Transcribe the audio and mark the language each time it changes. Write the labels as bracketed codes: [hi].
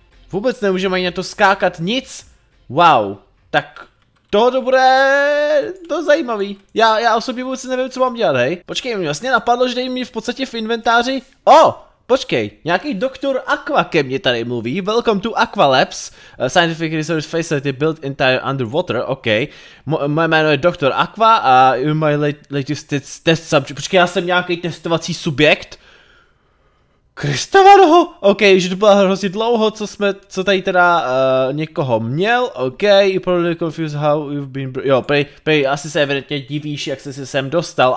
[cs] Vůbec nemůžeme ani na to skákat nic. Wow, tak tohoto bude to zajímavý. Já osobně vůbec nevím, co mám dělat, hej. Počkej, mě vlastně napadlo, že dej mi v podstatě v inventáři. O! Počkej, nějaký doktor Aqua ke mně tady mluví. [en] Welcome to Aqua Labs. Scientific Research Facility built entire underwater. [cs] OK. Moje jméno je doktor Aqua a [en] my latest test subject. [cs] Počkej, já jsem nějaký testovací subjekt. Kristavanoho! OK, že to bylo hrozně dlouho, co tady teda někoho měl. [en] OK, you probably confused how you've been. [cs] Jo, prej, asi se evidentně divíš, jak jsi se sem dostal.